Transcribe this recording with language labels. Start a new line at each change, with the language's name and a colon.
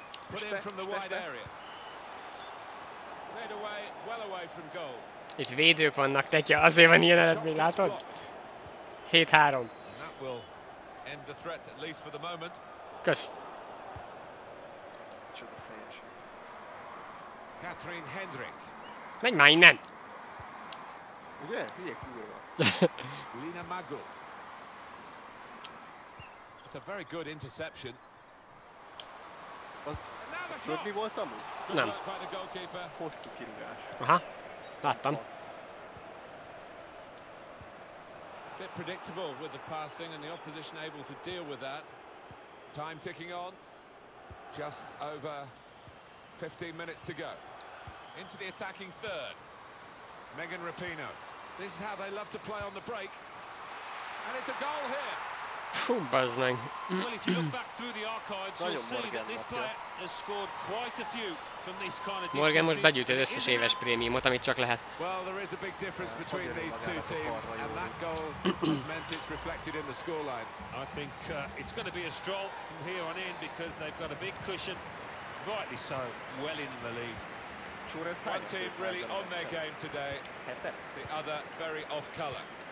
English: Put in from the wide area. Played away, well away from goal.
Hungarian: Itt védők vannak, tetya, azért van ilyen eredmény, látod? 7-3.
English: End the threat, at least for the moment.
Hungarian: Kösz. Csoda fejes.
English: Catherine Hendrick.
Hungarian: Menj már innen! Ugye? Hülye kúrva.
English: Lina Magu. It's a very good interception.
Hungarian: Az tudni volt amúgy? Nem. Hosszú kirúgás. Aha. Láttam.
English: Bit predictable with the passing and the opposition able to deal with that. Time ticking on. Just over 15 minutes to go. Into the attacking third. Megan Rapinoe. This is how they love to play on the break. And it's a goal here. Phew, buzzing. Well, if you look back through the archives, you'll see that this player has scored quite a few.
Hungarian: Morgan most begyűjtöd összes éves prémiumot, amit csak lehet.
English: Well, there is a big difference between these two teams, and that goal has meant it's reflected in the scoreline. I think it's going to be a stroll from here on in, because they've got a big cushion, rightly so, well in the lead. One team really on their game today, the other very off colour.